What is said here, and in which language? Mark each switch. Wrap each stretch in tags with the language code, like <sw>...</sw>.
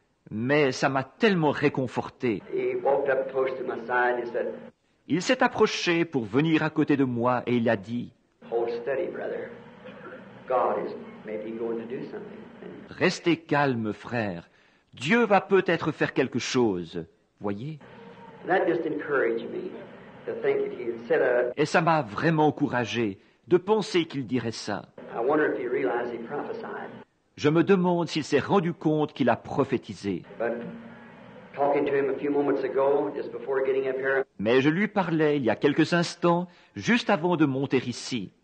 <fr>Mais ça m'a tellement réconforté.</fr> <en>He walked up close to my side and he said,</en> <fr>il s'est approché pour venir à côté de moi et il a dit,</fr> <en>hold steady, brother. God is maybe going to do something.</en> <fr>Restez calme, frère. Dieu va peut-être faire quelque chose, voyez.</fr> <en>That just encouraged me to think that he had said a...</en> <fr>Et ça m'a vraiment encouragé de penser qu'il dirait ça.</fr> <en>I wonder if he realized he prophesied.</en> <fr>Je me demande s'il s'est rendu compte qu'il a prophétisé.</fr> <en>But talking to him a few moments ago, just before getting up here.</en> <fr>Mais je lui parlais il y a quelques instants, juste avant de monter ici.</fr>